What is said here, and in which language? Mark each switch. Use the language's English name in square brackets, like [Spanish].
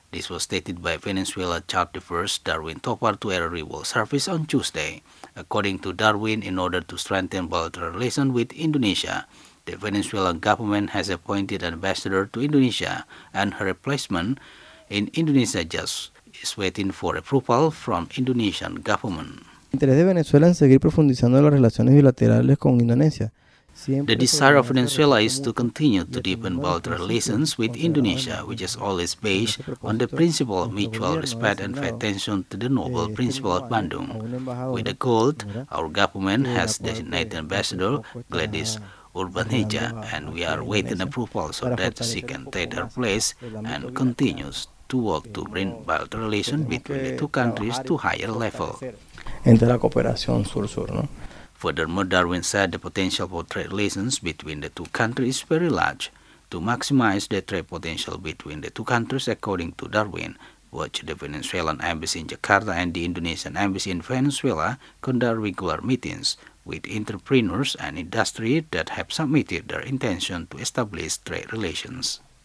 [English] This was stated by Venezuela chief Darwin Topar to Air Rival Service on Tuesday. According to Darwin, in order to strengthen bilateral relations with Indonesia, the Venezuelan government has appointed an ambassador to Indonesia, and her replacement in Indonesia just is waiting for approval from Indonesian government. [Spanish] El interés de Venezuela en seguir profundizando las relaciones bilaterales con Indonesia. [English] The desire of Venezuela is to continue to deepen bilateral relations with Indonesia, which is always based on the principle of mutual respect and pay attention to the noble principle of Bandung. With the goal, our government has designated Ambassador Gladys Urbaneja, and we are waiting approval so that she can take her place and continues to work to bring bilateral relations between the two countries to higher level. [Spanish] Entre la cooperación sur-sur, ¿no? [English] Furthermore, Darwin said the potential for trade relations between the two countries is very large. To maximize the trade potential between the two countries, according to Darwin, both the Venezuelan embassy in Jakarta and the Indonesian embassy in Venezuela conduct regular meetings with entrepreneurs and industry that have submitted their intention to establish trade relations.